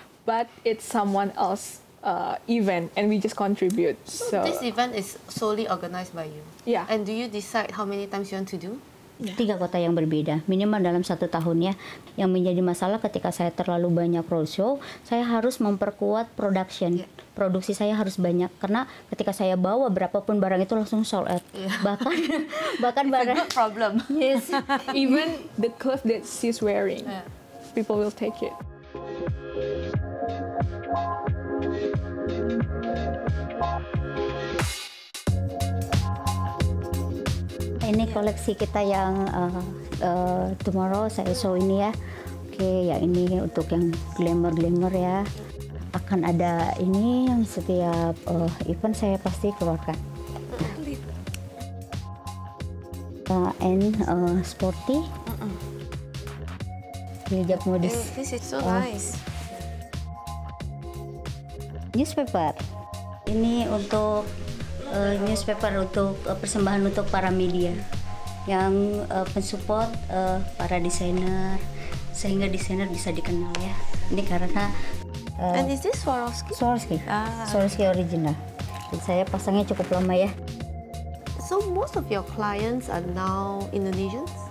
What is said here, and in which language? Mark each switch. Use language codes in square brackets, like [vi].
[en] But it's someone else's event, and we just contribute. So this event is solely organized by you? Yeah. And do you decide how many times you want to do? Yeah. [id] Tiga kota yang berbeda, minimal dalam satu tahun ya. Yang menjadi masalah ketika saya terlalu banyak roadshow, saya harus memperkuat production. [en] Yeah. [id] Produksi saya harus banyak, karena ketika saya bawa berapapun barang itu langsung [en] sold out. Yeah. [id] Bahkan barang... [en] It's a problem. Yes. Even the clothes that she's wearing, yeah, people will take it. [id] Ini koleksi kita yang tomorrow saya show ini ya. okay, ya ini untuk yang glamour-glamour ya. Akan ada ini yang setiap event saya pasti keluarkan. [en] And sporty. [id] Hijab modis. [en] This is so nice. Newspaper. [id] Ini untuk newspaper untuk persembahan untuk para media yang mensupport para desainer sehingga desainer bisa dikenal ya. Ini karena [en] and is this Swarovski? Swarovski. Ah. Swarovski original. [id] Dan saya pasangnya cukup lama ya. [en] So most of your clients are now Indonesians?